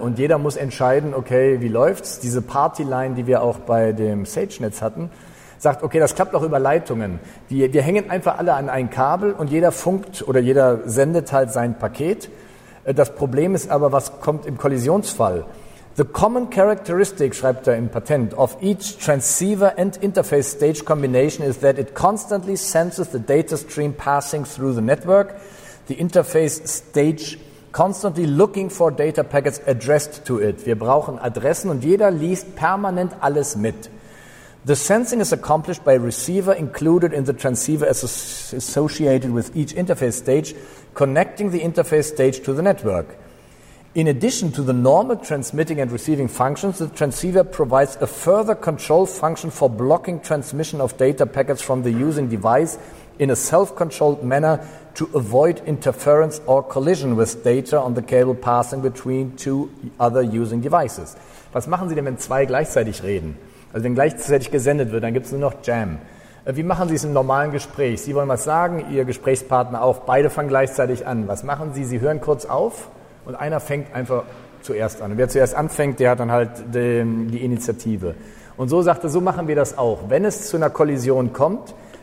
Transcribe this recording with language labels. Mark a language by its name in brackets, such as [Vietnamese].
[German] Und jeder muss entscheiden, okay, wie läuft's? Diese Party-Line, die wir auch bei dem Sage-Netz hatten, sagt, okay, das klappt auch über Leitungen. Wir hängen einfach alle an ein Kabel und jeder funkt oder jeder sendet halt sein Paket. Das Problem ist aber, was kommt im Kollisionsfall? [English] The common characteristic, [German] schreibt er im Patent, [English] of each transceiver and interface stage combination is that it constantly senses the data stream passing through the network, the interface stage constantly looking for data packets addressed to it. [German] Wir brauchen Adressen und jeder liest permanent alles mit. [English] The sensing is accomplished by a receiver included in the transceiver associated with each interface stage, connecting the interface stage to the network. In addition to the normal transmitting and receiving functions, the transceiver provides a further control function for blocking transmission of data packets from the using device in a self-controlled manner to avoid interference or collision with data on the cable passing between two other using devices. [German] Was machen Sie denn, wenn zwei gleichzeitig reden? Also wenn gleichzeitig gesendet wird, dann gibt es nur noch Jam. Wie machen Sie es im normalen Gespräch? Sie wollen was sagen, Ihr Gesprächspartner auch, beide fangen gleichzeitig an. Was machen Sie? Sie hören kurz auf. Und einer fängt einfach zuerst an. Und wer zuerst anfängt, der hat dann halt die Initiative. Und so sagt er, so machen wir das auch. Wenn es zu einer Kollision kommt,